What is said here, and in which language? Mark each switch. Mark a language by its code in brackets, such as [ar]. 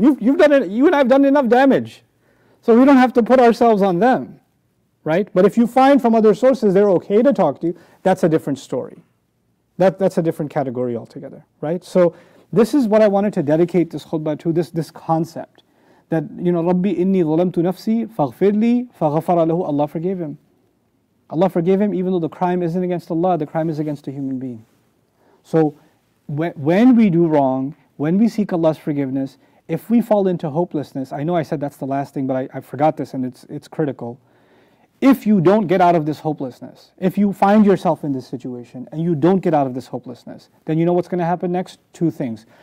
[en] You've done it, you and I have done enough damage. So we don't have to put ourselves on them. Right? But if you find from other sources they're okay to talk to you, that's a different story. That's a different category altogether. Right? So this is what I wanted to dedicate this khutbah to, this concept. [ar] That, you know, رَبِّ إِنِّي ظَلَمْتُ نَفْسِي فَغْفِرْ لِي فَغَفَرَ لَهُ. [en] Allah forgave him. Allah forgave him, even though the crime isn't against Allah, the crime is against a human being. So when we do wrong, when we seek Allah's forgiveness, if we fall into hopelessness, I know I said that's the last thing, but I forgot this and it's critical. If you don't get out of this hopelessness, if you find yourself in this situation and you don't get out of this hopelessness, then you know what's going to happen next? Two things.